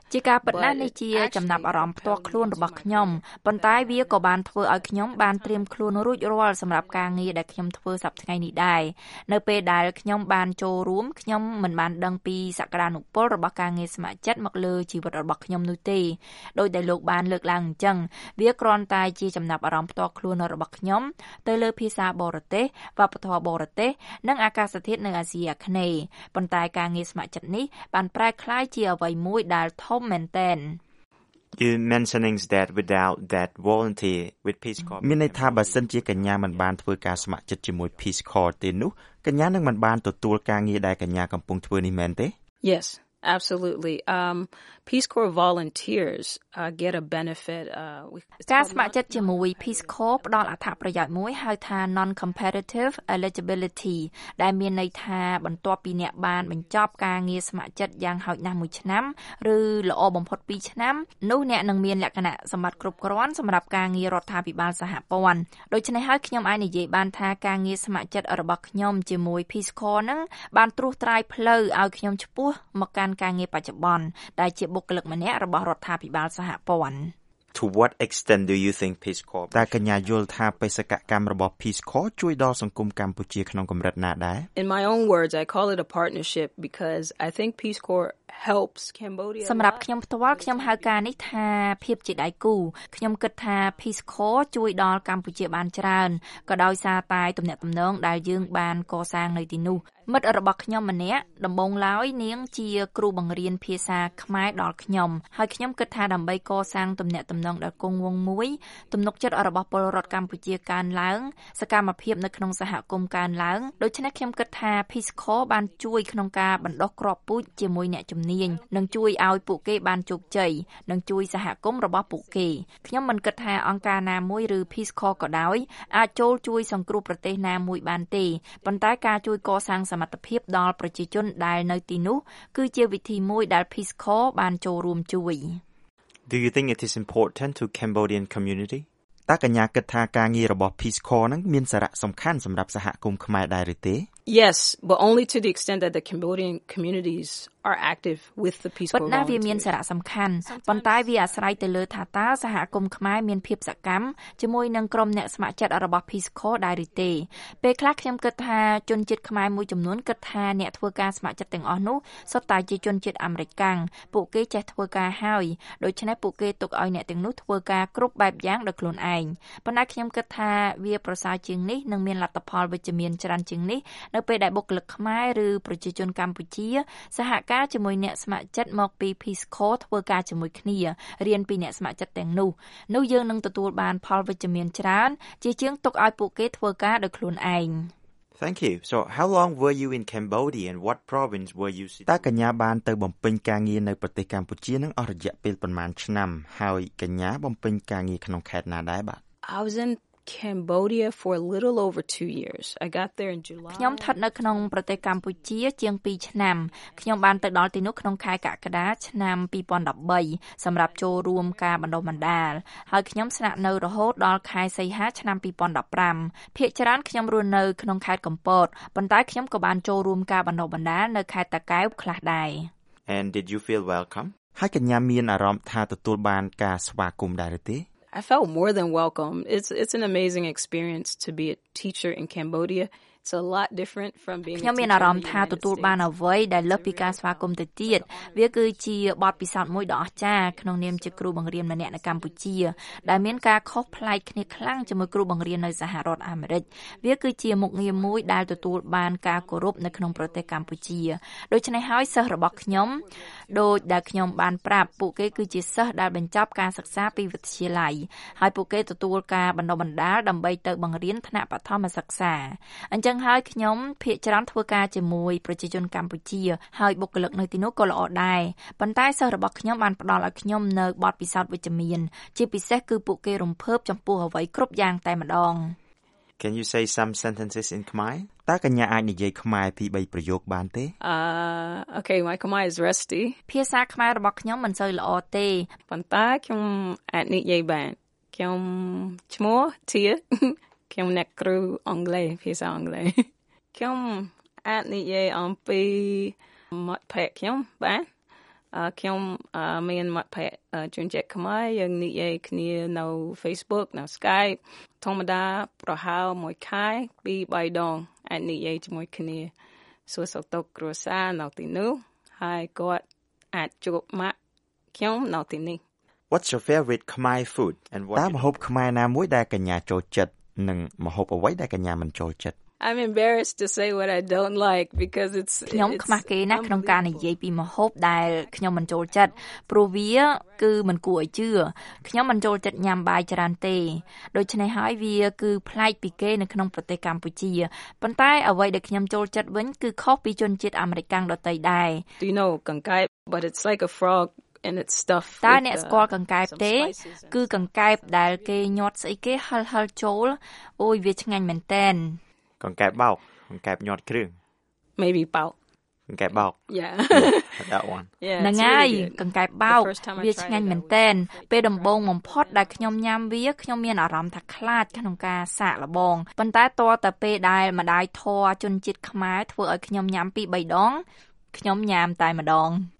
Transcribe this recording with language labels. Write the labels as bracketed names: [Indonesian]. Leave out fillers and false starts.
[Khmer] ជាការពិតណាស់នេះជាចំណាប់អារម្មណ៍ផ្ទាល់ខ្លួនរបស់ខ្ញុំប៉ុន្តែវាក៏បានធ្វើឲ្យខ្ញុំបានត្រៀមខ្លួនរួចរាល់សម្រាប់ការងារដែលខ្ញុំធ្វើសប្តាហ៍ថ្ងៃនេះដែរនៅពេលដែលខ្ញុំបានចូលរួមខ្ញុំមិនបានដឹងពីសក្តានុពលរបស់ការងារស្ម័គ្រចិត្តមកលើជីវិតរបស់ខ្ញុំនោះទេ ដោយដែលលោកបានលើកឡើងអញ្ចឹងវាគ្រាន់តែជាចំណាប់អារម្មណ៍ផ្ទាល់ខ្លួនរបស់ខ្ញុំទៅលើភាសាបរទេសវប្បធម៌បរទេសនិងអាកាសធាតុនៅអាស៊ីអាគ្នេយ៍ប៉ុន្តែការងារស្ម័គ្រចិត្តនេះបានប្រែក្លាយជាអ្វីមួយដែលធំមែនទែន [English] You mentioning that without that volunteer with Peace Corps [Khmer] មានន័យថាបើសិនជាកញ្ញាមិនបានធ្វើការស្ម័គ្រចិត្តជាមួយ Peace Corps ទេនោះកញ្ញានឹងមិនបានទទួលការងារដែលកញ្ញាកំពុងធ្វើនេះមែនទេ [English] Yes Absolutely. Peace Corps volunteers get a benefit. [Khmer] ការស្ម័គ្រចិត្តជាមួយ Peace Corps ផ្ដល់អត្ថប្រយោជន៍មួយហៅថា non-competitive eligibility ដែលមានន័យថាបន្ទាប់ពីអ្នកបានបញ្ចប់ការងារស្ម័គ្រចិត្តយ៉ាងហោចណាស់មួយឆ្នាំឬល្អបំផុត2ឆ្នាំនោះអ្នកនឹងមានលក្ខណៈសម្បត្តិគ្រប់គ្រាន់សម្រាប់ការងាររដ្ឋាភិបាលសហព័ន្ធដូច្នេះហើយខ្ញុំអាចនិយាយបានថាការងារស្ម័គ្រចិត្តរបស់ខ្ញុំជាមួយ Peace Corps នឹងបានត្រួសត្រាយផ្លូវឲ្យខ្ញុំឆ្ពោះមកកាន់ការងារបច្ចុប្បន្នដែលជាបុគ្គលិកម្នាក់របស់រដ្ឋាភិបាលសហព័ន្ធ [English] To what extent do you think Peace Corps [Khmer] តើកញ្ញាយល់ថាបេសកកម្មរបស់ Peace Corps ជួយដល់សង្គមកម្ពុជាក្នុងកម្រិតណាដែរ [English] In my own words I call it a partnership because I think Peace Corps helps Cambodia [Khmer] សម្រាប់ខ្ញុំផ្ទាល់ខ្ញុំហៅការនេះថាភាពជាដៃគូខ្ញុំគិតថា Peace Corps ជួយដល់កម្ពុជាបានច្រើនក៏ដោយសារតែទំនាក់ទំនងដែលយើងបានកសាងនៅទីនោះមិត្តរបស់ខ្ញុំម្នាក់ដំបងឡើយនាងជាគ្រូបង្រៀនភាសាខ្មែរដល់ខ្ញុំហើយខ្ញុំគិតថាដើម្បីកសាងទំនាក់ទំនងដ៏គង់វង្សមួយ ទំនុកចិត្តរបស់ពលរដ្ឋកម្ពុជាកើនឡើងសកម្មភាពនៅក្នុងសហគមន៍កើនឡើងដូច្នេះខ្ញុំគិតថា Peace Corps បានជួយក្នុងការបណ្ដុះគ្រាប់ពូជជាមួយអ្នកជំនាញនិងជួយឲ្យពួកគេបានជោគជ័យនិងជួយសហគមន៍របស់ពួកគេខ្ញុំមិនគិតថាអង្គការណាមួយឬ Peace Corps ក៏ដោយអាចចូលជួយសង្គ្រោះប្រទេសណាមួយបានទេប៉ុន្តែការជួយកសាងសមត្ថភាពដល់ប្រជាជនដែលនៅទីនោះគឺជាវិធីមួយដែល Peace Corps បានចូលរួមជួយ [English] Do you think it is important to Cambodian community? [Khmer] តើកញ្ញាគិតថាការងាររបស់ Peace Corps នឹងមានសារៈសំខាន់សម្រាប់សហគមន៍ខ្មែរដែរឬទេ? [English] Yes, but only to the extent that the Cambodian communities are active with the Peace Corps. [Khmer] ប៉ុន្តែវាមានសារៈសំខាន់ប៉ុន្តែវាអាស្រ័យទៅលើថាតើសហគមន៍ខ្មែរមានភាពសកម្មជាមួយនឹងក្រុមអ្នកស្ម័គ្រចិត្តរបស់ Peace Corps ដែរឬទេ។ពេលខ្លះខ្ញុំគិតថាជនជាតិខ្មែរមួយចំនួនគិតថាអ្នកធ្វើការស្ម័គ្រចិត្តទាំងអស់នោះសុទ្ធតែជាជនជាតិអាមេរិកាំងពួកគេចេះធ្វើការហើយដូច្នេះពួកគេទុកឲ្យអ្នកទាំងនោះធ្វើការគ្រប់បែបយ៉ាងដោយខ្លួនឯង។ប៉ុន្តែខ្ញុំគិតថាវាប្រសើរជាងនេះនិងមានលទ្ធផលវិជ្ជមានច្រើនជាងនេះនៅពេលដែលបុគ្គលិកខ្មែរឬប្រជាជនកម្ពុជា សហការជាមួយអ្នកស្ម័គ្រចិត្តមកពី Peace Corps ធ្វើការជាមួយគ្នារៀនពីអ្នកស្ម័គ្រចិត្តទាំងនោះនោះយើងនឹងទទួលបានផលវិជ្ជមានច្រើនជាជាងទុកឲ្យពួកគេធ្វើការដោយខ្លួនឯង [English] Thank you. So how long were you in Cambodia and what province were you [Khmer] តើកញ្ញាបានទៅបំពេញការងារនៅប្រទេសកម្ពុជានឹងអស់រយៈពេលប្រមាណឆ្នាំហើយកញ្ញាបំពេញការងារក្នុងខេត្តណាដែរបាទ [English] Cambodia for a little over 2 years. I got there in July. [Khmer] ខ្ញុំស្ថិតនៅក្នុងប្រទេសកម្ពុជាជាង2ឆ្នាំ។ខ្ញុំបានទៅដល់ទីនោះក្នុងខែកក្កដាឆ្នាំ2013សម្រាប់ចូលរួមការបណ្ដុះបណ្ដាល។ហើយខ្ញុំស្នាក់នៅរហូតដល់ខែសីហាឆ្នាំ2015។ភាគច្រើនខ្ញុំរស់នៅក្នុងខេត្តកំពត។ប៉ុន្តែខ្ញុំក៏បានចូលរួមការបណ្ដុះបណ្ដាលនៅខេត្តតាកែវខ្លះដែរ [English] ។ And did you feel welcome? [Khmer] ហើយកញ្ញាមានអារម្មណ៍ថាទទួលបានការស្វាគមន៍ដែរឬទេ? [English] I felt more than welcome. It's an amazing experience to be a teacher in Cambodia. It's a lot different from being [Khmer] ខ្ញុំមានអារម្មណ៍ថាទទួលបានអ្វីដែលលើសពីការស្វាគមន៍ទៅទៀតវាគឺជាបទពិសោធន៍មួយដ៏អស្ចារ្យក្នុងនាមជាគ្រូបង្រៀនម្នាក់នៅកម្ពុជាដែលមានការខុសប្លែកគ្នាខ្លាំងជាមួយគ្រូបង្រៀននៅសហរដ្ឋអាមេរិកវាគឺជាមុខងារមួយដែលទទួលបានការគោរពនៅក្នុងប្រទេសកម្ពុជាដូច្នេះហើយសិស្សរបស់ខ្ញុំ ដូចដែលខ្ញុំបានប្រាប់ពួកគេគឺជាសិស្សដែលបញ្ចប់ការសិក្សាពីវិទ្យាល័យហើយពួកគេទទួលការបណ្ដុះបណ្ដាលដើម្បីទៅបង្រៀនថ្នាក់បឋមសិក្សាចឹងហើយខ្ញុំភាគច្រើនធ្វើការជាមួយប្រជាជនកម្ពុជាហើយបុគ្គលិកនៅទីនោះក៏ល្អដែរប៉ុន្តែសិស្សរបស់ខ្ញុំបានផ្ដល់ឲ្យខ្ញុំនៅបទពិសោធន៍វិជ្ជមានជាពិសេសគឺពួកគេរំភើបចំពោះអ្វីគ្រប់យ៉ាងតែម្ដង [English] Can you say some sentences in Khmer? [Khmer] តើកញ្ញាអាចនិយាយខ្មែរពីរបីប្រយោគបានទេ? [English] Okay, my Khmer is rusty. [Khmer] ភាសាខ្មែររបស់ខ្ញុំមិនសូវល្អទេ ប៉ុន្តែខ្ញុំអាចនិយាយបានខ្ញុំឈ្មោះទៀតខ្ញុំអ្នកគ្រូអង់គ្លេសភាសាអង់គ្លេសខ្ញុំអាចនិយាយអំពី មាត់ភាសាខ្ញុំបាទខ្ញុំមានមាត់ភាសាជួនជាខ្មែរយើងនិយាយគ្នានៅ Facebook នៅ Skype ធម្មតាប្រហែលមួយខែពីរបីដងអាចនិយាយជាមួយគ្នាសួរសុខទុក្ខគ្រួសារនៅទីនោះហើយគាត់អាចជួបមកខ្ញុំនៅទីនេះ [English] What's your favorite Khmer food and what [Khmer] តាមម្ហូបខ្មែរណាមួយដែលកញ្ញាចូលចិត្តនឹងម្ហូបអ្វីដែលកញ្ញាមិនចូលចិត្ត [English] I'm embarrassed to say what I don't like because it's [Khmer] ខ្ញុំខ្មាស់គេណាស់ក្នុងការនិយាយពីម្ហូបដែលខ្ញុំមិនចូលចិត្តព្រោះវាគឺមិនគួរឲ្យជឿខ្ញុំមិនចូលចិត្តញ៉ាំបាយច្រើនទេដូច្នេះហើយវាគឺប្លែកពីគេនៅក្នុងប្រទេសកម្ពុជាប៉ុន្តែអ្វីដែលខ្ញុំចូលចិត្តវិញគឺខុសពីជនជាតិអាមេរិកាំងដទៃដែរ [English] Do you know កង្កែប But it's like a frog and it's stuffed with some spices. [Khmer] តាអ្នកស្គាល់កង្កែបទេ? គឺកង្កែបដែលគេញាត់ស្អីគេហិលហិលចូល? អូយវាឆ្ងាញ់មែនទែន! កង្កែបបោក! កង្កែបញាត់គ្រឿង! [English] Maybe bao. [Khmer] កង្កែបបោក [English] Yeah. That one. [Khmer] ណងាយកង្កែបបោកវាឆ្ងាញ់មែនទែនពេលដំបូងបំផុតដែលខ្ញុំញ៉ាំវាខ្ញុំមានអារម្មណ៍ថាខ្លាចក្នុងការសាកល្បងប៉ុន្តែតរតែពេលដែលម្ដាយធေါ်ជន់ចិត្តខ្មែរធ្វើឲ្យខ្ញុំញ៉ាំពីរបីដងខ្ញុំញ៉ាំតែម្ដង